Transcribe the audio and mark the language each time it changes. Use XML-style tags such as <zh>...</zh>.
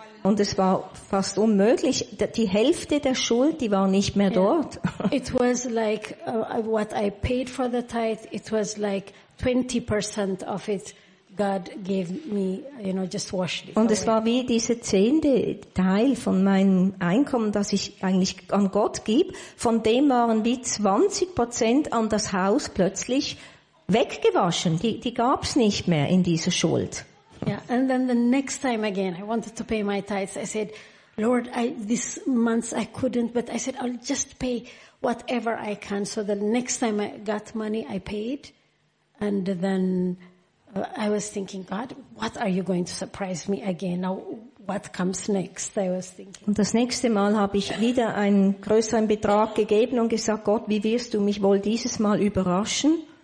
<de>Und es war fast unmöglich. Die Hälfte der Schuld, die war nicht mehr dort.</de> <en>It was like what I paid for the tithe. It was like 20% of it. God gave me, you know, just washed it.</en> <de>Und es war wie dieser zehnte Teil von meinem Einkommen, das ich eigentlich an Gott gebe. Von dem waren wie 20% an das Haus plötzlich weggewaschen. Die gab's nicht mehr in dieser Schuld.</de> <en>Yeah, and then the next time again, I wanted to pay my tithes. I said, Lord, this month I couldn't, but I said, I'll just pay whatever I can. So the next time I got money, I paid. And then I was thinking, God, what are you going to surprise me again? Now, what comes next? I was thinking.</en> <de>Und das nächste Mal habe ich wieder einen größeren Betrag gegeben und gesagt, Gott, wie wirst du mich wohl dieses Mal überraschen?</de>